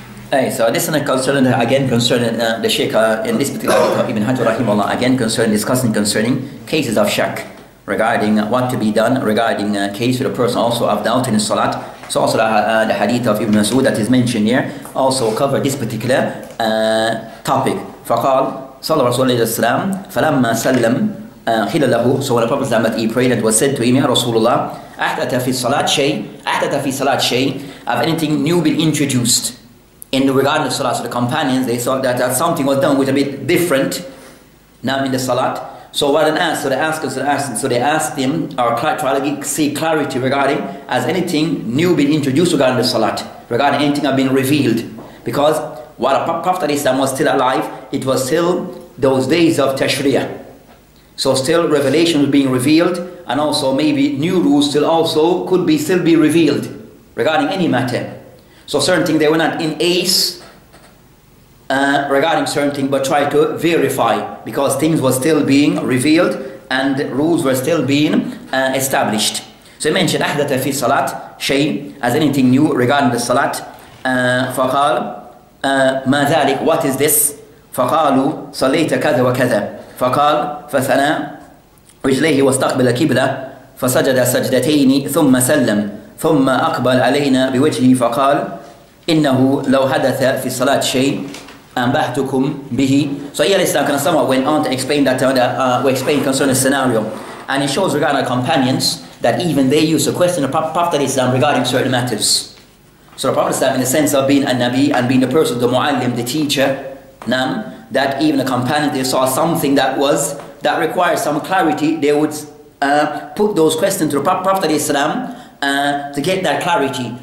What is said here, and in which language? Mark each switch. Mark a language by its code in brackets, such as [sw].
[en] Hey, so this is concerning the Sheikh in this particular Ibn Hajar Rahimullah, again discussing cases of shak regarding what to be done regarding a case with a person also of doubt in the Salat. So also the hadith of Ibn Mas'ud that is mentioned here also cover this particular topic. [ar] فقال صلى الله عليه وسلم فلما سلم خيل له. [en] So when the Prophet that he prayed, it was said to him, "Ya Rasulullah, [ar] أحدث في الصلاة شيء [en] have anything new been introduced in regard to the Salat?" So the companions, they thought that something was done with a bit different now in the Salat. So what an ask, so they asked him or tried to see clarity regarding, has anything new been introduced regarding the Salat, regarding anything have been revealed? Because while the Prophet was still alive, it was still those days of Tashriya. So still revelation was being revealed, and also maybe new rules still also could be still be revealed regarding any matter. So certain things they were not in ace regarding certain things, but try to verify, because things were still being revealed and rules were still being established. So he mentioned [ar] أَحْدَثَ فِي الصَّلَاةِ شَيْءٍ, [en] as anything new regarding the Salat. [ar] فَقَالُ مَا ذَلِكَ, [en] what is this? [ar] فَقَالُوا صَلَّيْتَ كَذَا وَكَذَا. فقال فثنى رجليه واستقبل قبلة فسجد سجدتين ثم سلم ثم أقبل علينا بوجهه فقال إنه لو حدث في صلاة شيء أنبهتكم به. [en] So here is like someone went on to explain that we explained concerning the scenario, and it shows regarding our companions that even they used to question the Prophet Islam regarding certain matters. So the Prophet Islam, in the sense of being a Nabi and being the person, the Muallim, the teacher, Nam, that even a companion, they saw something that was that required some clarity, they would put those questions to the Prophet Islam to get that clarity.